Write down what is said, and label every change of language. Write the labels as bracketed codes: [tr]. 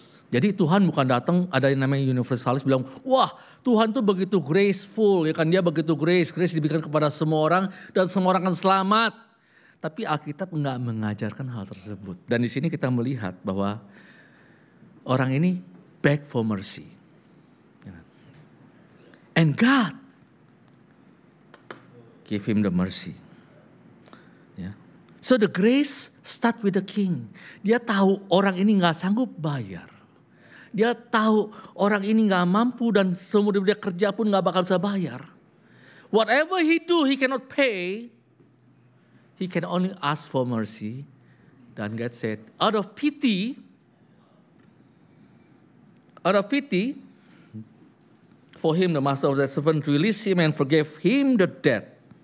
[id] Jadi Tuhan bukan datang, ada yang namanya universalis bilang, wah Tuhan tuh begitu graceful, ya kan, dia begitu grace. Grace diberikan kepada semua orang dan semua orang akan selamat. Tapi Alkitab gak mengajarkan hal tersebut. Dan di sini kita melihat bahwa orang ini [en] beg for mercy. And God give him the mercy. Yeah. So the grace start with the king. [id] Dia tahu orang ini gak sanggup bayar. Dia tahu orang ini gak mampu dan semudah dia kerja pun gak bakal bisa bayar. [en] Whatever he do, he cannot pay. He can only ask for mercy. [id] Dan [en] God said, out of pity, for him, the master of the servant release him and forgive him the debt.